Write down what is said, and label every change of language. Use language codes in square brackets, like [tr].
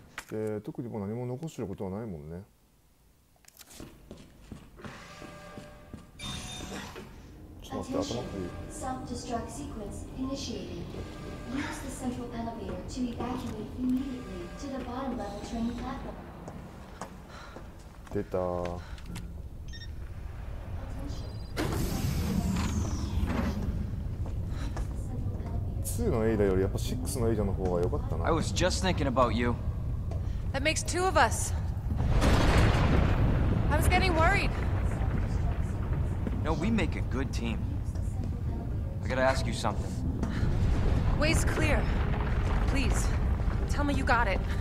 [ja] で特にもう何も残してることはないもんね。 [en] Self-destruct sequence initiated. Use the central elevator to evacuate immediately to the bottom level train platform. Did the... [ja] 2のエイダよりやっぱ6のエイダの方が良かったな。 [en] I was just thinking about you. That makes two of us. I was getting worried. No, we make a good team. I gotta ask you something. Way's clear. Please, tell me you got it.